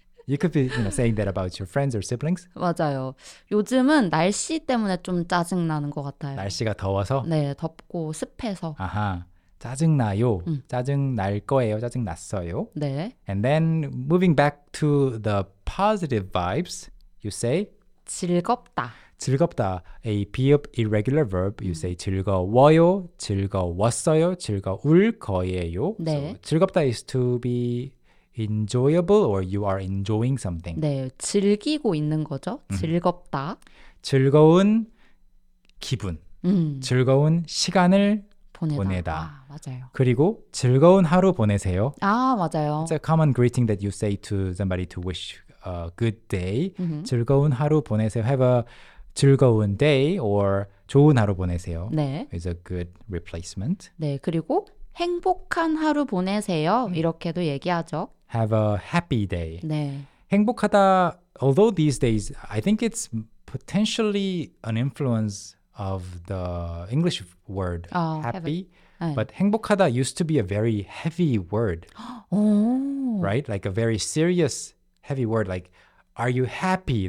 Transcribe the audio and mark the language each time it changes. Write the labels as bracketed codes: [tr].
[en] You could be, you know, saying that about your friends or siblings. [ko] 맞아요. 요즘은 날씨 때문에 좀 짜증 나는 것 같아요. 날씨가 더워서? 네, 덥고 습해서. 아하, 짜증 나요. 짜증 날 거예요. 짜증 났어요. 네. [en] And then moving back to the positive vibes, you say [ko] 즐겁다. [en] 즐겁다. A be-up irregular verb. You say [ko] 즐거워요, 즐거웠어요, 즐거울 거예요. 네. [en] So 즐겁다 is to be enjoyable or you are enjoying something. [ko] 네, 즐기고 있는 거죠. 즐겁다. 즐거운 기분, 즐거운 시간을 보내다. 아, 맞아요. 그리고 즐거운 하루 보내세요. 아, 맞아요. [en] It's a common greeting that you say to somebody to wish a good day. [ko] 즐거운 하루 보내세요. [en] Have a [ko] 즐거운 [en] day or [ko] 좋은 하루 보내세요. 네. [en] It's a good replacement. [ko] 네, 그리고 행복한 하루 보내세요. 이렇게도 얘기하죠. [en] Have a happy day. [ko] 네. [en] 행복하다, although these days, I think it's potentially an influence of the English word happy. But 행복하다 used to be a very heavy word. Oh. Right? Like a very serious heavy word. Like, are you happy?